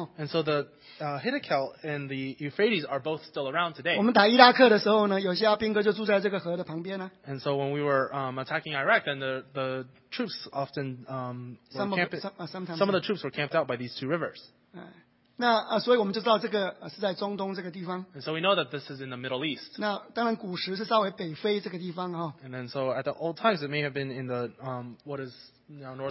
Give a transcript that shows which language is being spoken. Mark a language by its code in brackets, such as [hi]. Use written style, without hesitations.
[en] and so the Hiddekel and the Euphrates are both still around today. [zh] 我们打伊拉克的时候呢有些阿兵哥就住在这个河的旁边呢, [en] and so when we were attacking Iraq, then the troops often some of the troops were camped out by these two rivers. [zh] 那所以我们就知道这个是在中东这个地方, [en] and so we know that this is in the Middle East. [zh] 那当然古时是稍微北非这个地方, [en] and then so at the old times it may have been in the what is now northern Africa.